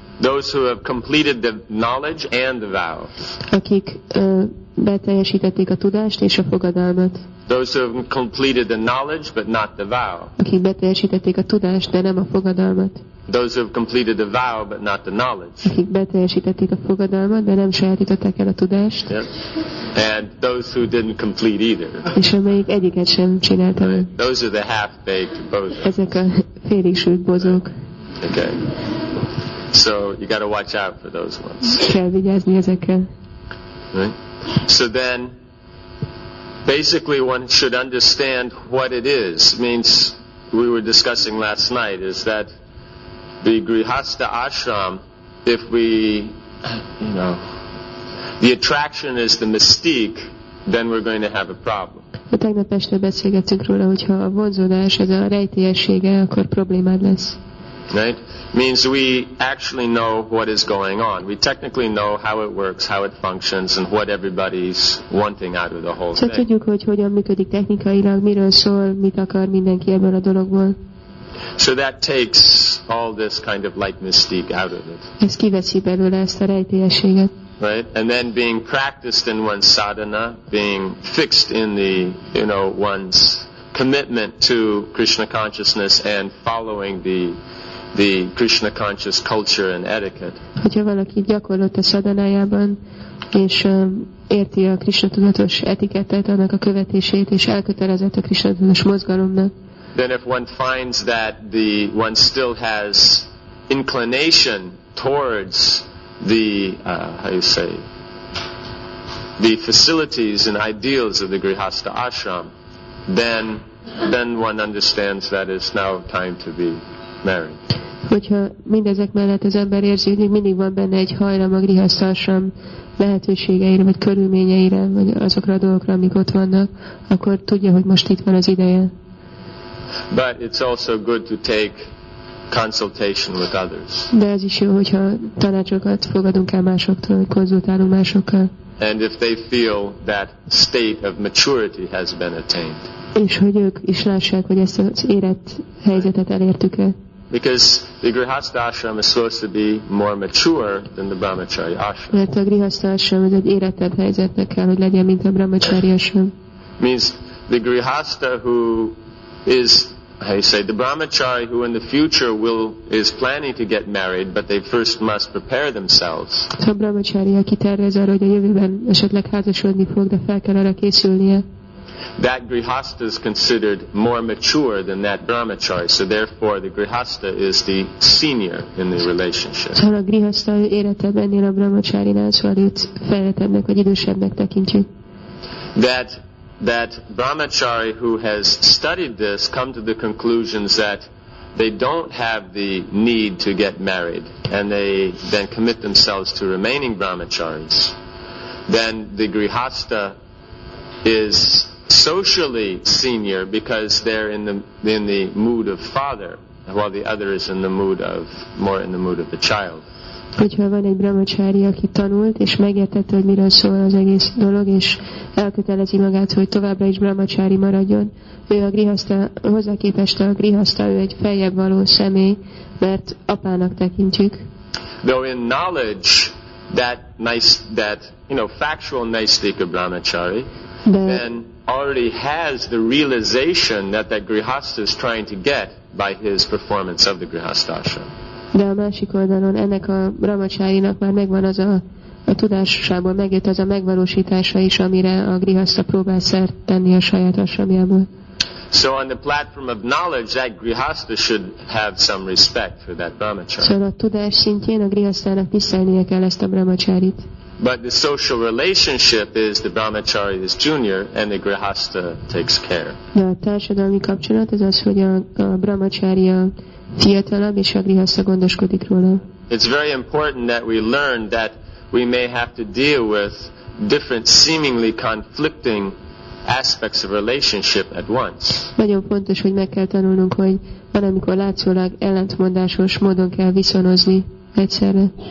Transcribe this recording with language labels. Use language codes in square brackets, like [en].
[en] Those who have completed the knowledge and the vow. [hu] Akik beteljesítették a tudást és a fogadalmat. [en] Those who have completed the knowledge but not the vow. [hu] Akik beteljesítették a tudást, de nem a fogadalmat. [en] Those who have completed the vow but not the knowledge. [hu] Akik beteljesítették a fogadalmat, de nem sajátították el a tudást. [en] Yeah. And those who didn't complete either. [hu] És amelyik egyiket sem csinálta. [en] Right. Those are the half-baked bozok. [hu] Ezek a félig sült bozók. [en] Okay. So you got to watch out for those ones. [hu] Kell vigyázni ezekkel. [en] So then, basically, one should understand what it is. Means we were discussing last night is that the grihastha ashram, if we, the attraction is the mystique, then we're going to have a problem. [hu] A tegnap este beszélgettünk róla, hogyha a vonzódás ez a rejtélyessége, akkor problémád lesz. [en] Right? Means we actually know what is going on. We technically know how it works, how it functions, and what everybody's wanting out of the whole thing. [hu] Csak tudjuk, hogy hogyan működik technikailag, miről szól, mit akar mindenki ebből a dologból. [en] So that takes all this kind of light mystique out of it. [hu] Ez kiveszi belőle ezt a rejtélyességet. [en] Right? And then being practiced in one's sadhana, being fixed in the, one's commitment to Krishna consciousness and following the Krishna conscious culture and etiquette. [hu] Hogyha valaki gyakorolt a szadanájában, és érti a Krishna tudatos etikettet, annak a követését, és elkötelezett a Krishna tudatos mozgalomnak. [en] Then if one finds that one still has inclination towards the facilities and ideals of the grihastha ashram, then one understands that it's now time to be married. [hu] Hogyha mindezek mellett az ember érzi, hogy mindig van benne egy hajlam a grihastha ashram lehetőségeire, vagy körülményeire, vagy azokra a dolgokra, amik ott vannak, akkor tudja, hogy most itt van az ideje. [en] But it's also good to take consultation with others. [hu] De ez is jó, hogyha tanácsokat fogadunk el másoktól, vagy konzultálunk másokkal. [en] And if they feel that state of maturity has been attained. [hu] És hogy ők is lássák, hogy ezt az érett helyzetet elértük-e. [en] Because the grihastha ashram is supposed to be more mature than the brahmacharya ashram. [hu] Mert a grihastha ashram az egy érettebb helyzetnek kell, hogy legyen, mint a brahmacharya ashram. [en] Means the grihastha who is, how you say, the brahmachari who in the future is planning to get married, but they first must prepare themselves. [hu] A brahmachari, aki tervez arra, hogy a jövőben esetleg házasodni fog, de fel kell arra készülnie. [en] That grihastha is considered more mature than that brahmachari, so therefore the grihastha is the senior in the relationship. [hu] A grihastha érettebb ennél a brahmacharinál, szóval őt fejlettebbnek vagy idősebbnek tekintjük. [en] That brahmachari who has studied this come to the conclusions that they don't have the need to get married, and they then commit themselves to remaining brahmacharis, then the grihastha is socially senior because they're in the mood of father, while the other is more in the mood of the child. [hu] Hogyha van egy brahmacari, aki tanult és megértette, hogy miről szól az egész dolog, és elkötelezi magát, hogy továbbra is brahmacari maradjon, ő a grihastha, hozzá képest a grihastha, ő egy feljebb való személy, mert apának tekintjük. [en] Though in knowledge that factual naisthika brahmacari, then already has the realization that grihastha is trying to get by his performance of the grihastha ashram. [hu] De a másik oldalon ennek a brahmacharinak már megvan az a tudásából megjött az a megvalósítása is, amire a grihastha próbál szert tenni a saját ashramjából. [en] So on the platform of knowledge, that grihastha should have some respect for that brahmachari. [hu] Szóval a tudás szintjén a grihasztának tisztelnie kell ezt a brahmacharit. [en] But the social relationship is the brahmachari is junior and the grihastha takes care. [hu] De a társadalmi kapcsolat az az, hogy a brahmachari a fiatalabb és a grihastha gondoskodik róla. [en] It's very important that we learn that we may have to deal with different seemingly conflicting aspects of relationship at once. [hu] Nagyon fontos, hogy meg kell tanulnunk, hogy van, amikor látszólag ellentmondásos módon kell viszonozni egyszerre.